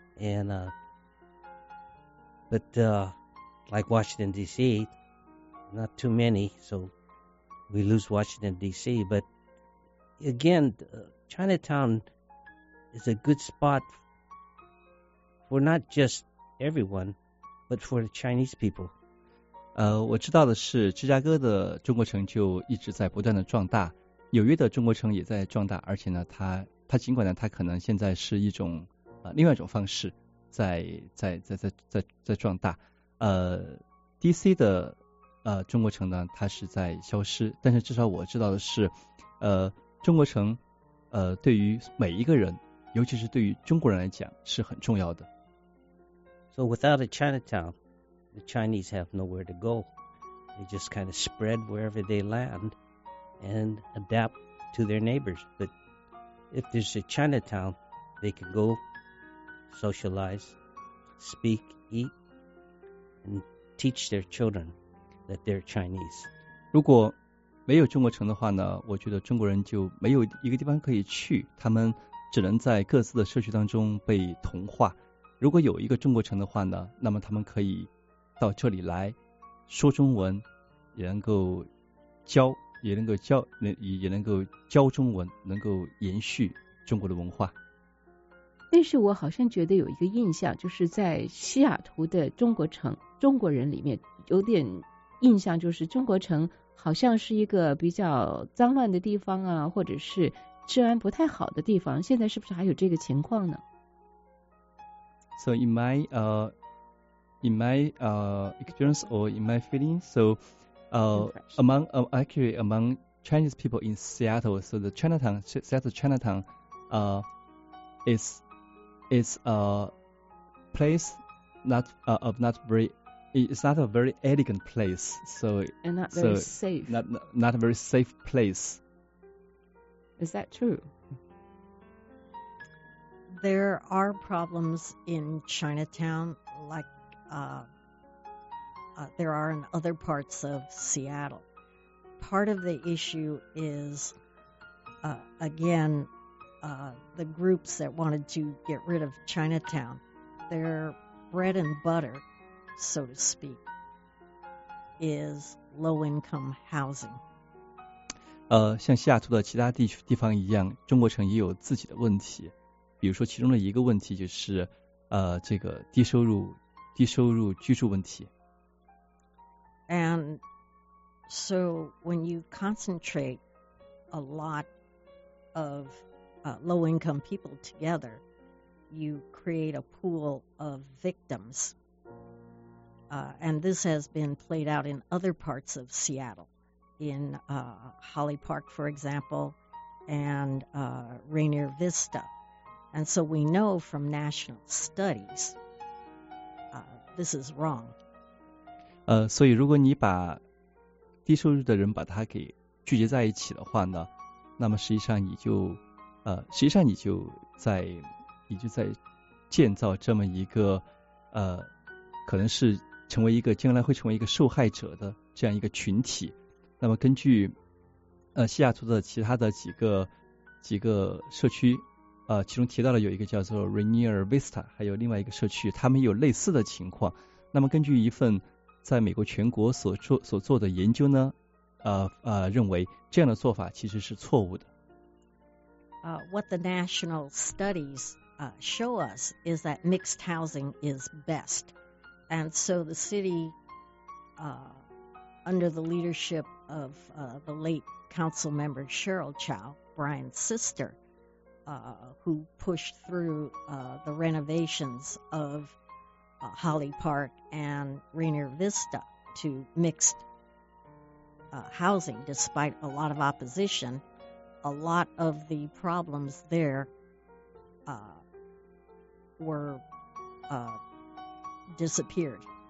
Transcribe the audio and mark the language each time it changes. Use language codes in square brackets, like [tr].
[en] And like Washington, D.C., not too many, so we lose Washington, D.C. But again, Chinatown is a good spot for not just everyone, but for the Chinese people. [zh] 我知道的是芝加哥的中国城就一直在不断的壮大，纽约的中国城也在壮大，而且呢它尽管呢它可能现在是一种另外一种方式在壮大，DC 的中国城呢它是在消失。但是至少我知道的是中国城对于每一个人，尤其是对于中国人来讲是很重要的。 [en] So without a Chinatown, the Chinese have nowhere to go. They just kind of spread wherever they land and adapt to their neighbors. But if there's a Chinatown, they can goSocialize, speak, eat, and teach their children that they're Chinese. [zh] 如果没有中国城的话呢，我觉得中国人就没有一个地方可以去，他们只能在各自的社区当中被同化。如果有一个中国城的话呢，那么他们可以到这里来说中文，也能够教中文，能够延续中国的文化。但是我好像觉得有一个印象，就是在西雅图的中国城中国人里面有点印象，就是中国城好像是一个比较脏乱的地方啊，或者是治安不太好的地方，现在是不是还有这个情况呢？ [en] So in my experience or in my feeling, so among Chinese people in Seattle, so the Chinatown, Seattle Chinatown is a place not a very elegant place, so and not very safe. Not a very safe place. Is that true? There are problems in Chinatown, like there are in other parts of Seattle. Part of the issue is again. The groups that wanted to get rid of Chinatown, their bread and butter, so to speak, is low-income housing. [zh] 像西雅图的其他地方一样，中国城也有自己的问题。比如说，其中的一个问题就是，这个低收入居住问题。 [en] And so when you concentrate a lot of low-income people together, you create a pool of victims. And this has been played out in other parts of Seattle, in Holly Park, for example, and Rainier Vista. And so we know from national studies this is wrong. [zh] 所以如果你把低收入的人把他给聚集在一起的话呢，那么实际上你就实际上你就在建造这么一个可能是成为一个将来会成为一个受害者的这样一个群体。那么根据西雅图的其他的几个社区，其中提到了有一个叫做 Rainier Vista， 还有另外一个社区，他们有类似的情况。那么根据一份在美国全国所做的研究呢，认为这样的做法其实是错误的。 [en] What the national studies show us is that mixed housing is best, and so the city, under the leadership of the late council member Cheryl Chow, Brian's sister, who pushed through the renovations of Holly Park and Rainier Vista to mixed housing, despite a lot of opposition, a lot of the problems there were disappeared.